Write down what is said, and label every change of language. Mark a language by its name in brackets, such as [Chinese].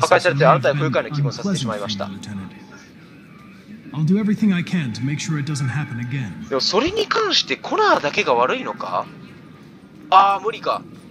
[Japanese] 破壊されて、あなたは不愉快な気分をさせてしまいました。 [English] I'll do everything I can to make sure it doesn't happen again. [Japanese] でもそれに関してコナーだけが悪いのか？ああ、無理か。